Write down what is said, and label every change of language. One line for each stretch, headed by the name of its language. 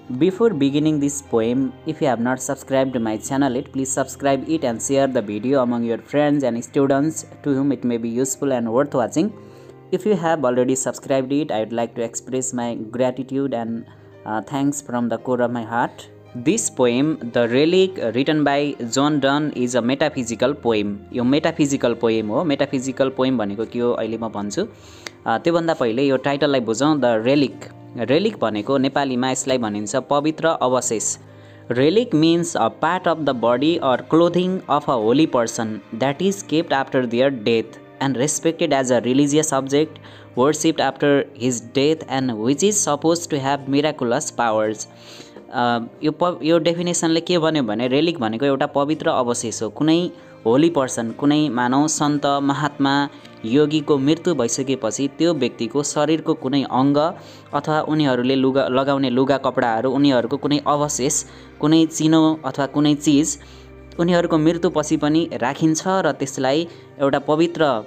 English: Before beginning this poem, if you have not subscribed to my channel yet, please subscribe it and share the video among your friends and students to whom it may be useful and worth watching. If you have already subscribed it, I would like to express my gratitude and thanks from the core of my heart. This poem, The Relic, written by John Donne, is a metaphysical poem.
Nepali: यो metaphysical poem हो. Metaphysical poem बनेको क्यों अहिले म भन्छु. त्यो भन्दा पहिले यो title लाई बुझौं, The Relic. Relic बनेको नेपालीमा यसलाई भनिन्छ पवित्र अवशेष.
English: Relic means a part of the body or clothing of a holy person that is kept after their death and respected as a religious object, worshipped after his death and which is supposed to have miraculous powers.
Nepali: यो डेफिनेसनले के भन्यो भने relic भनेको एउटा पवित्र अवशेष हो. कुनै होली पर्सन, कुनै मानव सन्त महात्मा योगीको मृत्यु भइसकेपछि त्यो व्यक्तिको शरीरको कुनै अङ्ग अथवा उनीहरूले लगाउने लुगा कपडाहरू, उनीहरूको कुनै अवशेष, कुनै चिनो अथवा कुनै चिज उनीहरूको मृत्युपछि पनि राखिन्छ र त्यसलाई एउटा पवित्र